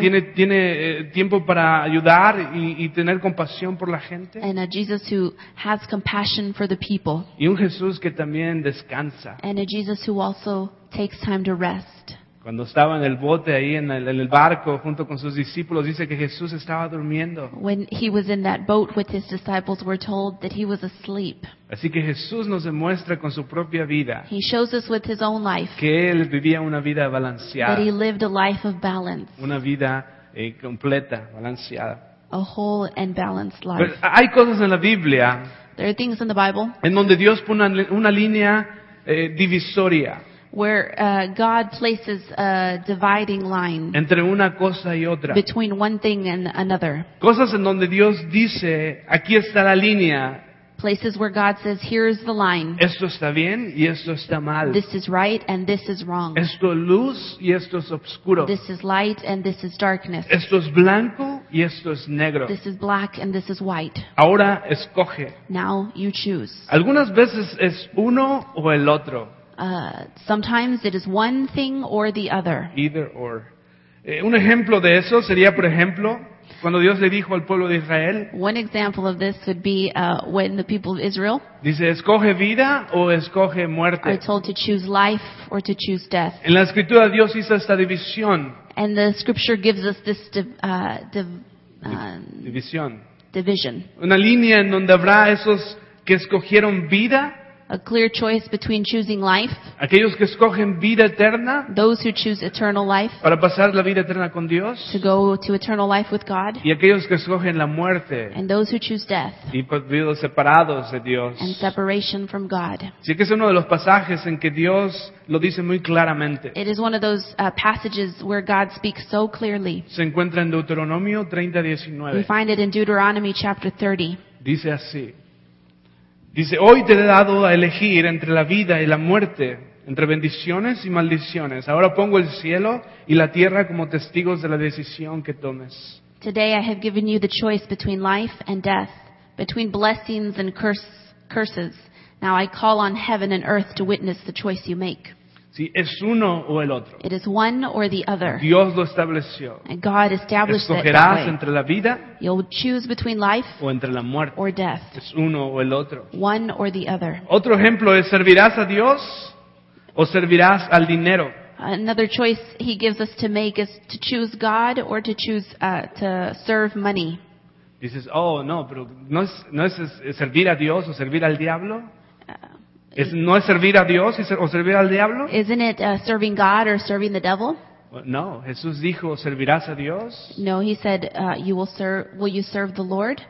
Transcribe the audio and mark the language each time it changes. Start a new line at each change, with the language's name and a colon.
Spanish: Que tiene tiempo para ayudar y tener compasión por la gente.
English: And a Jesus who has compassion for the people.
Spanish: Y un Jesús que también descansa.
English: And a Jesus who also takes time to rest.
Spanish: Cuando estaba en el bote ahí en el barco junto con sus discípulos, dice que Jesús estaba durmiendo.
English: When he was in that boat with his disciples, we're told that he was asleep.
Spanish: Así que Jesús nos demuestra con su propia vida.
English: He shows us with his own life.
Spanish: Que él vivía una vida balanceada.
English: That he lived a life of balance.
Spanish: Una vida completa, balanceada.
English: A whole and balanced life.
Spanish: Pero hay cosas en la Biblia.
English: There are things in the Bible.
Spanish: En donde Dios pone una línea divisoria.
English: Where God places a dividing line.
Spanish: Entre una cosa y otra.
English: Between one thing and another.
Spanish: Cosas en donde Dios dice, aquí está la línea.
English: Places where God says, here is the line.
Spanish: Esto está bien y esto está mal.
English: This is right and this is wrong.
Spanish: Esto es luz y esto es oscuro.
English: This is light and this is darkness.
Spanish: Esto es blanco y esto es negro.
English: This is black and this is white.
Spanish: Ahora escoge.
English: Now you choose.
Spanish: Algunas veces es uno o el otro.
English: Sometimes it is one thing or the other. Either or.
Spanish: Un ejemplo de eso sería, por ejemplo. Cuando Dios le dijo al pueblo de Israel,
English: one example of this would be when the people of Israel,
Spanish: dice, escoge vida o escoge muerte,
English: are told to choose life or to choose death.
Spanish: En la escritura Dios hizo esta división.
English: And the scripture gives us this division.
Spanish: Una línea en donde habrá esos que escogieron vida.
English: A clear choice between choosing life.
Spanish: Aquellos que escogen vida eterna.
English: Those who choose eternal life.
Spanish: Para pasar la vida eterna con Dios.
English: To go to eternal life with God.
Spanish: Y aquellos que escogen la muerte.
English: And those who choose death.
Spanish: Y vivos separados de Dios.
English: And separation from God.
Spanish: Sí, que es uno de los pasajes en que Dios lo dice muy claramente.
English: It is one of those passages where God speaks so clearly.
Spanish: Se encuentra en Deuteronomio 30:19.
English: We find it in Deuteronomy chapter 30.
Spanish: Dice así. Dice, hoy te he dado a elegir entre la vida y la muerte, entre bendiciones y maldiciones. Ahora pongo el cielo y la tierra como testigos de la decisión que tomes.
English: Today I have given you the choice between life and death, between blessings and curses. Now I call on heaven and earth to witness the choice you make.
Spanish: Sí, es uno o el otro.
English: It is one or the other.
Spanish: Dios lo estableció.
English: And God established it that way.
Spanish: Escogerás entre la vida.
English: You'll choose between life
Spanish: o entre la muerte.
English: Or death.
Spanish: Es uno o el otro.
English: One or the other.
Spanish: Otro ejemplo es, ¿servirás a Dios o servirás al dinero?
English: Another choice he gives us to make is to choose God or to choose to serve money.
Spanish: Dices, oh, no, pero no es servir a Dios o servir al diablo. ¿No es servir a Dios o servir al diablo?
English: Isn't it serving God or serving the devil?
Spanish: No, Jesús dijo, ¿servirás a Dios?
English: No, he said, will you serve the Lord?